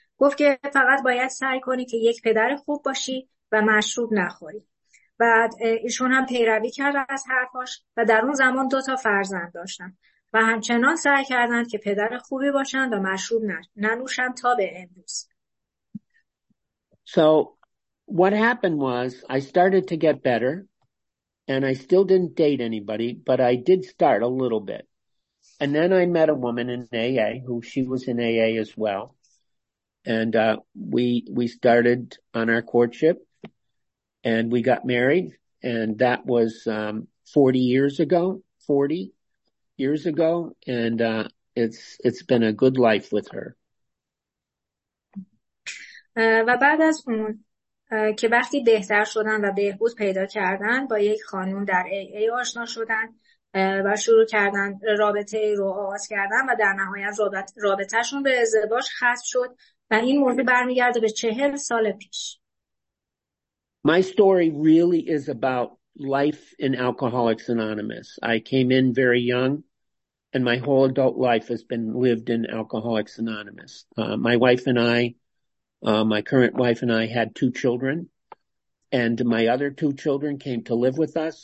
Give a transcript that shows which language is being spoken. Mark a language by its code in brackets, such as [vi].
[fa] گفت که فقط باید سعی کنی که یک پدر خوب باشی و مشروب نخوری. بعد ایشون هم پیروی کرد از حرفاش و در اون زمان دو تا فرزند داشتن و همچنان سعی کردند که پدر خوبی باشن و مشروب ننوشن تا به امروز. [en] So what happened was I started to get better and I still didn't date anybody, but I did start a little bit. And then I met a woman in AA who she was in AA as well. And we started on our courtship and we got married. And that was 40 years ago, 40 years ago. And it's been a good life with her. [fa] و بعد از اون که وقتی بهتر شدن و بهبود پیدا کردن با یک خانوم در AA آشنا شدن و شروع کردن رابطه ای رو آغاز کردن و در نهایت رابطهشون به ازدواج ختم شد و این موضوع برمیگرده به 40 سال پیش. [en] My story really is about life in Alcoholics Anonymous. I came in very young and my whole adult life has been lived in Alcoholics Anonymous. My wife and I my current wife and I had 2 children, and my other 2 children came to live with us.